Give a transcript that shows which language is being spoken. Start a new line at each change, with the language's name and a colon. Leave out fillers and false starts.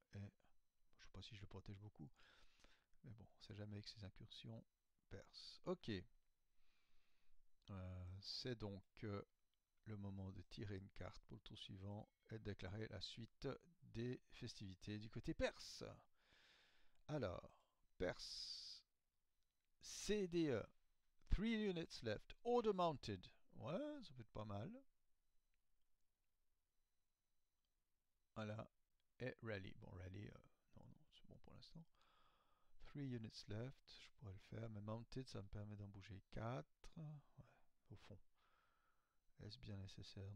French: Et je ne sais pas si je le protège beaucoup. Mais bon, on sait jamais avec ces incursions perses. Ok. C'est donc le moment de tirer une carte pour le tour suivant et de déclarer la suite des festivités du côté perse. Alors, perse. CDE.
English: Three units left, order mounted.
French: Ouais, ça peut être pas mal. Voilà. Et rally. Bon, rally, non, non, c'est bon pour l'instant.
English: Three units left,
French: je pourrais le faire. Mais mounted, ça me permet d'en bouger 4. Ouais, au fond. Est-ce bien nécessaire?